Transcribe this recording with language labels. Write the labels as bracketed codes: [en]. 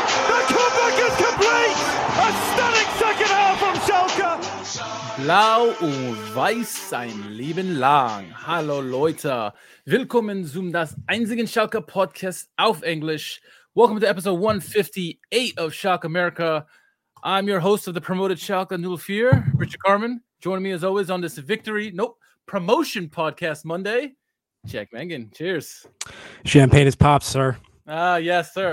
[en] The comeback is complete! A stunning second half from Schalke! [de] Blau und Weiß sein Leben lang. Hallo Leute, willkommen zum das einzigen Schalke Podcast auf Englisch. [en] Welcome to episode 158 of Schalke America. I'm your host of the promoted Schalke 04, Richard Carman. Joining me as always on this promotion podcast Monday, Jack Mangan. Cheers. Champagne is popped, sir. Yes, sir.